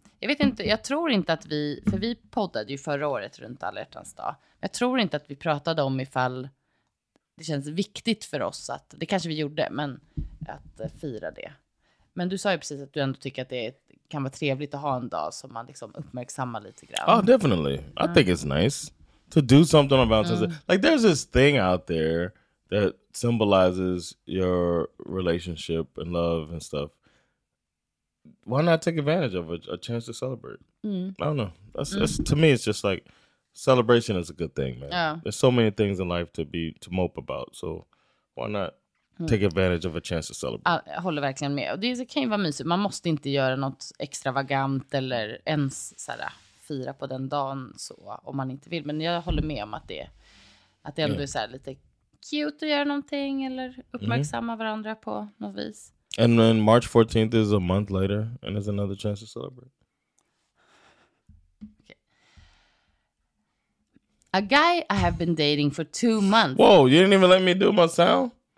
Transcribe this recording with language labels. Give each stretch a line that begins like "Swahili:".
Swedish: Jag vet inte, jag tror inte att vi, för vi poddade ju förra året runt Alla Hjärtans dag. Jag tror inte att vi pratade om ifall det känns viktigt för oss att, det kanske vi gjorde, men att fira det. Men du sa ju precis att du ändå tycker att det kan vara trevligt att ha en dag som man liksom uppmärksammar lite grann.
English: Oh, definitely. I think it's nice to do something about it. Like there's this thing out there that symbolizes your relationship and love and stuff. Why not take advantage of a chance to celebrate? Mm. I don't know. That's to me, it's just like celebration is a good thing, man. Yeah. There's so many things in life to mope about. So why not take advantage of a chance to celebrate?
Swedish: Jag håller verkligen med. Och det kan ju vara mysigt. Man måste inte göra något extravagant eller ens såhär, fira på den dagen så om man inte vill. Men jag håller med om att det ändå är såhär, lite cute att göra någonting eller uppmärksamma varandra på något vis.
English: And then March 14th is a month later and there's another chance to celebrate. Okay. A guy I have been dating for 2 months. Whoa, you didn't even let me do my sound?